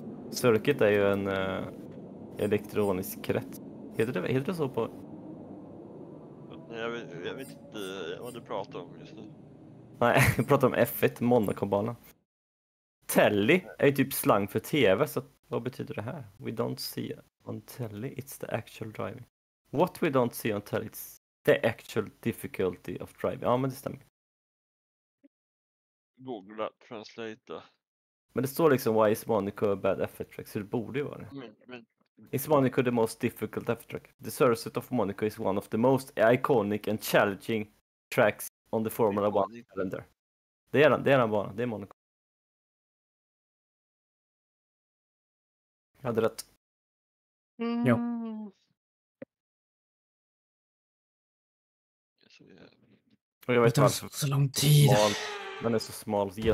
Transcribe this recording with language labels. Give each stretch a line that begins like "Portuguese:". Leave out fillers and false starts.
Swedish: Circuit är ju en elektronisk krets. Heter det så på? Nej, jag vet inte vad du pratar om just nu. Nej, jag pratar om F1, Monaco-bana. Telly är ju typ slang för tv, så vad betyder det här?
English: We don't see on telly, it's the actual driving. What we don't see on telly, it's the actual difficulty of driving.
Swedish: Ja, men det stämmer.
English: Google that, translate.
Swedish: Men det står liksom,
English: why is Monaco a bad F1 track?
Swedish: Så det borde ju vara det.
English: Is Monaco the most difficult F1 track? The circuit of Monaco is one of the most iconic and challenging tracks on the Formula 1 calendar.
Swedish: Det är den bara, det är Monaco. Jag hade rätt. Mm. Ja. Och jag vet inte. Det tar så lång tid. Smal. Den är så smal.